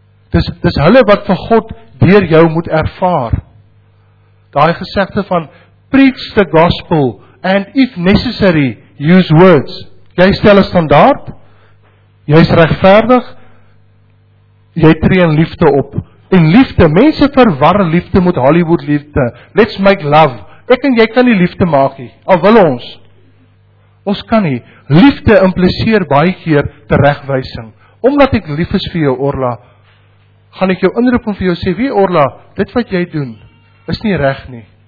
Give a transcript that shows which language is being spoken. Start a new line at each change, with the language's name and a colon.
Afrikaans: Dis hulle wat van God deur jou moet ervaar. Daai gesegde van
English: preach the gospel and if necessary use words.
Afrikaans: Jy stel 'n standaard, jy is regverdig, jy tree in liefde op. En liefde, mense verwar liefde met Hollywood liefde.
English: Let's make love.
Afrikaans: Ek en jy kan nie liefde maak nie, al wil ons. Ons kan nie. Liefde impliseer baie keer teregwysing. Omdat ek lief is vir jou, Orla, gaan ek jou inroep om vir jou sê, wie Orla, dit wat jy doen, is nie reg nie.